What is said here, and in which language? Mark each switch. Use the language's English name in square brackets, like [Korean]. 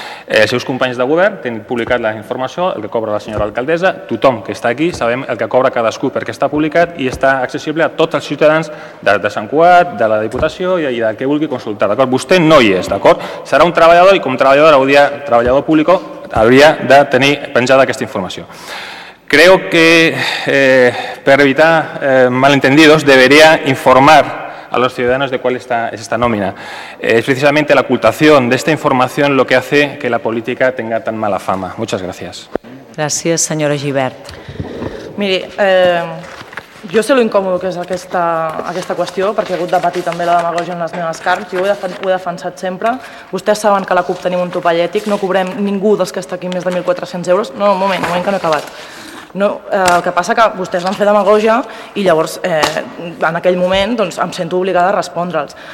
[Catalan] Els seus companys de govern tenen publicat la informació, el que cobra la senyora alcaldessa, tothom que està aquí sabem el que cobra cadascú perquè està publicat i està accessible a tots els ciutadans de Sant Cugat, de la Diputació i del que vulgui consultar. D'acord? Vostè no hi és, d'acord? Serà un treballador i com treballador público hauria de tenir penjada aquesta informació. [Spanish] Creo que [Catalan] per [Spanish] evitar malentendidos debería informar a los ciudadanos de cuál es esta nómina. Es precisamente la ocultación de esta información lo que hace que la política tenga tan mala fama. Muchas gracias. Gracias, señora Gibert. [Catalan] Mire, jo sé lo incòmodo que és aquesta qüestió, perquè he hagut de patir també la demagogia en les meves carns, jo ho he defensat sempre. Vostès saben que a la CUP tenim un topall ètic, no cobrem ningú dels que està aquí més de 1.400 euros. No, un moment que no he acabat. No, el que passa que vostès van fer demagogia i llavors en aquell moment doncs, em sento obligada a respondre'ls.